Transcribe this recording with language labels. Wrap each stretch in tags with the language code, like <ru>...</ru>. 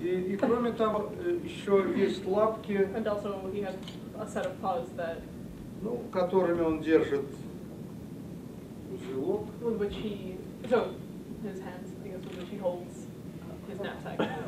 <ru>И кроме того, еще есть лапки.</ru> <en>And also he has a set of paws that.</en> <ru>Ну, которыми он держит узелок.</ru> <en>With which he, so his hands, I guess, with which he holds his knapsack.</en>